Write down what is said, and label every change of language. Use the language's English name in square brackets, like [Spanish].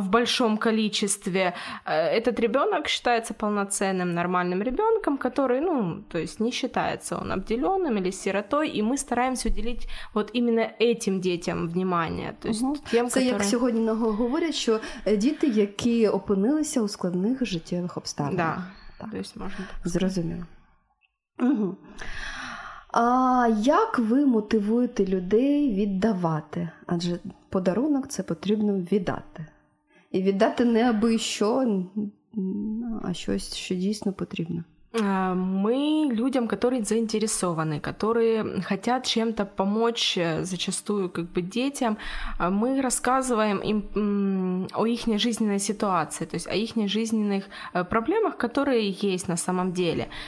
[Russian] В большом количестве этот ребенок считается полноценным нормальным ребенком, который, ну, то есть не считается он обделенным или сиротой, и мы стараемся уделить вот именно этим детям внимание, то есть тем, которые. Это как сегодня много говорят, что дети, которые [Ukrainian] опинилися у складных життєвих обставин. [Russian] Да. Так. То есть можно. [Ukrainian] Зрозуміло. Угу. А як ви мотивуєте людей віддавати? Адже подарунок це потрібно віддати. І віддати не аби що, а щось, що дійсно потрібно. [Russian] Мы людям, которые заинтересованы, которые хотят чем-то помочь, зачастую как бы детям, мы рассказываем им о их жизненной ситуации, то есть о их жизненных проблемах, которые есть на самом деле.